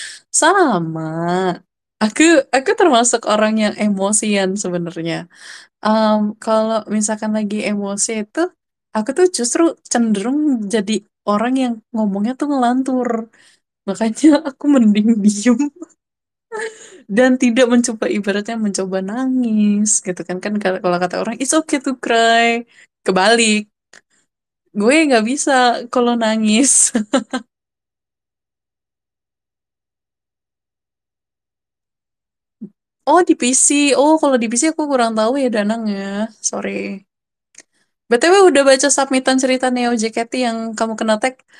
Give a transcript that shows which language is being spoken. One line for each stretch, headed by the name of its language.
Indonesian: Sama. Aku termasuk orang yang emosian sebenarnya. Kalau misalkan lagi emosi itu, aku tuh justru cenderung jadi orang yang ngomongnya tuh ngelantur. Makanya aku mending diem. Dan tidak mencoba, ibaratnya mencoba nangis gitu kan. Kan kalau kata orang,
English: it's okay to cry.
Indonesian: Kebalik. Gue nggak bisa kalau nangis. Oh, di PC. Oh, kalau di PC aku kurang tahu ya, Danang ya. Sorry. BTW, udah baca submitan cerita Neo JKT yang kamu kena tag?